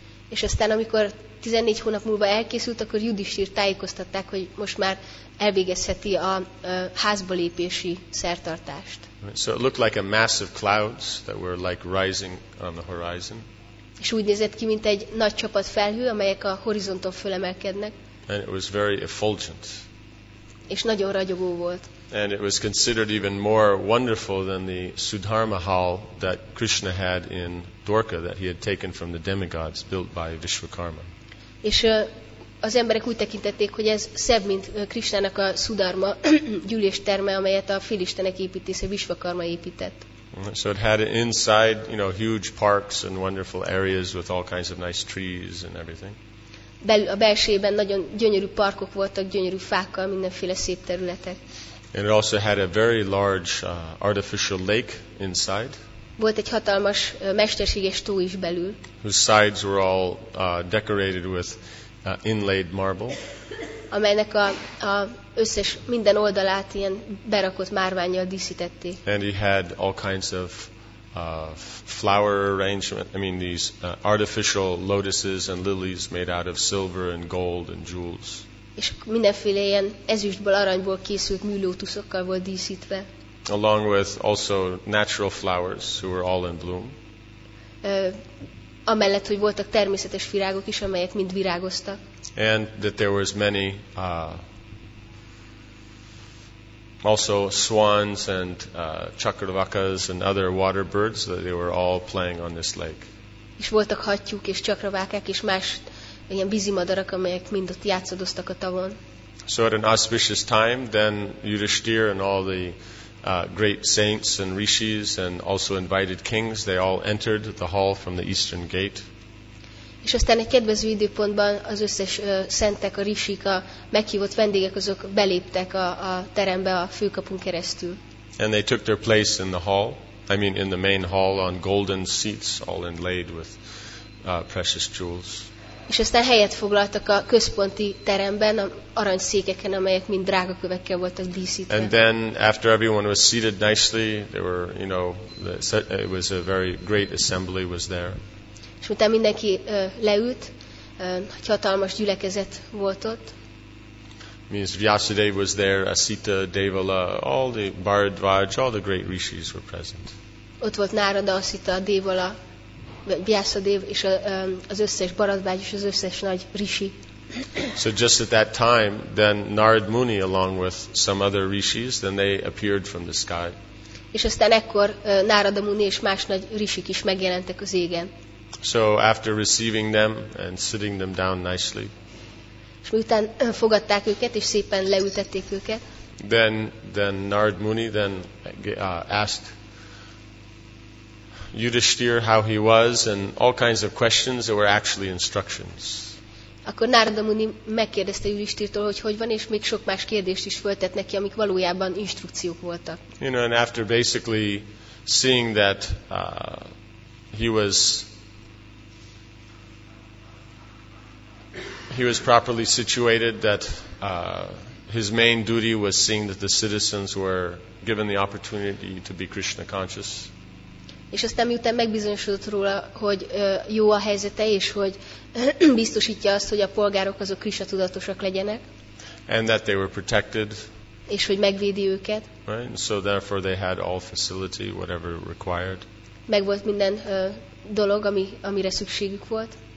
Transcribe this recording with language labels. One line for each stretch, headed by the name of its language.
Hungarian: És aztán amikor 14 hónap múlva elkészült, akkor Yudhishthira tájékoztatták, hogy most már elvégezheti a házba lépési szertartást.
English: So it looked like a mass of clouds that were like rising on the horizon.
Hungarian: És úgy nézett ki, mint egy nagy csapat felhő, amelyek a horizonton fölemelkednek.
English: And it was very effulgent.
Hungarian: És nagyon ragyogó volt.
English: And it was considered even more wonderful than the Sudharma Hall that Krishna had in Dwarka that he had taken from the demigods built by Vishvakarma.
Hungarian: És az emberek úgy tekintették, hogy ez szebb, mint Krisnának a Sudharma gyűlésterme, amelyet a félistenek építésze Vishvakarma épített.
English: So it had inside, you know, huge parks and wonderful areas with all kinds of nice trees and everything.
Hungarian: A belsőben nagyon gyönyörű parkok voltak, gyönyörű fákkal, mindenféle szép területek.
English: And it also had a very large artificial lake inside.
Hungarian: Volt egy hatalmas mesterséges tó is belül.
English: Whose sides were all decorated with inlaid marble.
Hungarian: Amelynek a összes minden oldalát ilyen berakott márvánnyal díszítették.
English: And he had all kinds of flower arrangement, I mean these artificial lotuses and lilies made out of silver and gold and jewels.
Hungarian: És mindenféle ilyen ezüstből, aranyból készült műlótuszokkal volt díszítve.
English: Along with also natural flowers, who were all in bloom.
Hungarian: Amellett, hogy voltak természetes virágok is, amelyek mind virágoztak.
English: And that there was many also swans and chakravakas and other water birds, that they were all playing on this lake.
Hungarian: És voltak hattyúk és csakravákák és más ilyen vízimadarak, amelyek mind ott játszadoztak a tavon.
English: So at an auspicious time, then Yudhishthira and all the great saints and rishis and also invited kings, they all entered the hall from the eastern gate.
Hungarian: És aztán egy kedvező időpontban az összes szentek, a rishik, a meghívott vendégek, azok beléptek a terembe a főkapun keresztül.
English: And they took their place in the hall, I mean in the main hall, on golden seats all inlaid with precious jewels.
Hungarian: És aztán helyet foglaltak a központi teremben, a aranyszékeken, amelyek mind drága kövekkel voltak díszítve.
English: And then after everyone was seated nicely, there were, you know, it was a very great assembly was there.
Hungarian: És utána mindenki leült, egy hatalmas gyülekezet volt ott.
English: Means Vyasadeva was there, Asita, Devala, all the Bharadvaj, all the great rishis were present.
Hungarian: Ott volt Narada, Asita, Devala, Vyasadeva és az összes Bharadvaj és az összes nagy rishi.
English: So just at that time, then Narad Muni, along with some other rishis, then they appeared from the sky.
Hungarian: És aztán ekkor Narada Muni és más nagy rishik is megjelentek az égen.
English: So after receiving them and sitting them down nicely.
Hungarian: És miután fogadták őket és szépen leültették őket.
English: Then Narad Muni then asked Yudhishthir how he was and all kinds of questions that were actually instructions.
Hungarian: Akkor Narada Muni megkérdezte Yudhishthirtől, hogy hogy van, és még sok más kérdést is föltett neki, amik valójában instrukciók voltak.
English: You know, and after basically seeing that he was properly situated, that his main duty was seeing that the citizens were given the opportunity to be Krishna conscious.
Hungarian: És aztán miután megbizonyosodott róla, hogy jó a helyzete, és hogy biztosítja azt, hogy a polgárok azok Krishna tudatosak legyenek.
English: And that they were protected.
Hungarian: És hogy megvédi őket.
English: Right? So therefore they had all facility, whatever required.
Hungarian: Meg volt minden dolog, amire szükségük volt.